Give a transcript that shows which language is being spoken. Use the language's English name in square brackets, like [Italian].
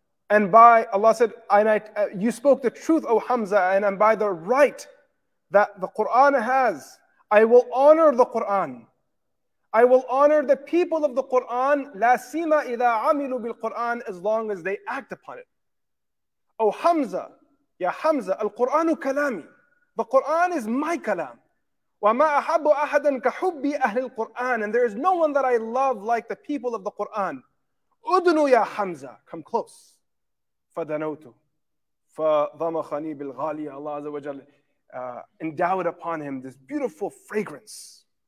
[English] And by, Allah said, you spoke the truth, O Hamza, and by the right that the Qur'an has, I will honor the Qur'an. I will honor the people of the Qur'an, [Arabic] لَا سِيمَ إِذَا عَمِلُوا بِالْقُرْآنِ, [English] as long as they act upon it. O Hamza, [Arabic] يَا حَمْزَ, الْقُرْآنُ كَلَامِي. [English] The Qur'an is my kalam. [Arabic] وَمَا أَحَبُّ أَحَدًا كَحُبِّي أَهْلِ الْقُرْآنِ. [English] And there is no one that I love like the people of the Qur'an. [Arabic] أُدْنُوا يَا حَمْزَ. [English] Come close. [Arabic] فَدَنَوْتُ فَضَمَخَنِي بِالْغَالِيَ. [English] Allah Azza wa Jal endowed upon him this beautiful fragrance.